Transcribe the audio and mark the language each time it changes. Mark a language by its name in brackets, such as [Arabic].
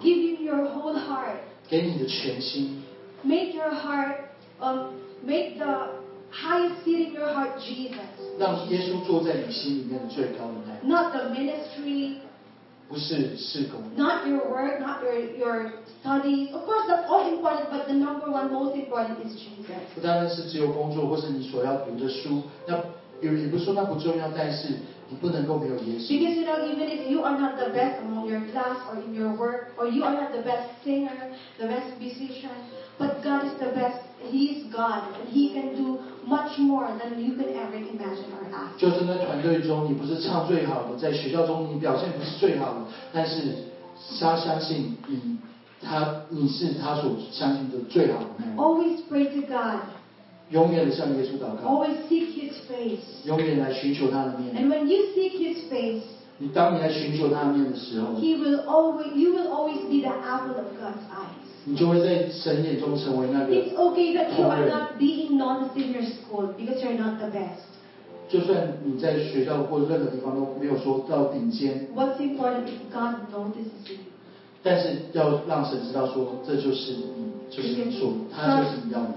[English] Give you your whole heart. [Chinese] 给你的全心。 [English] Make your heart, make the highest seat in your heart Jesus. [Chinese] 让耶稣坐在你心里面的最高的那。 [English] Not the ministry. [Chinese] 不是事工。 [English] Not your work, not your studies. Of course, that's all important, but the number one most important is Jesus. [Chinese] 不单单是只有工作或是你所要读的书，那也不是说那不重要，但是。你不能够没有耶稣。 [English] Because you know, even if you are not the best among your class or in your work, or you are not the best singer, the best musician, but God is the best. He is God, and He can do much more than you can ever imagine or ask. [Chinese] 就是在团队中，你不是唱最好的，在学校中你表现不是最好的，但是他相信你是他所相信的最好的。 [English] Always pray to God. [Chinese] 永远的向耶稣祷告。 [English] Always seek His face. [Chinese] 永远来寻求他的面。 [English] And when you seek His face, [Chinese] 你当你来寻求他的面的时候 [English] ，He will always, you will always be the apple of God's eyes. [Chinese] 你就会在神眼中成为那个。 [English] It's okay that you are not being noticed in your school because you're not the best. [Chinese] 就算你在学校或任何地方都没有说到顶尖。 [English] What's important is God notices you. [Chinese] 但是要让神知道说这就是你，就是你说他就是你要的。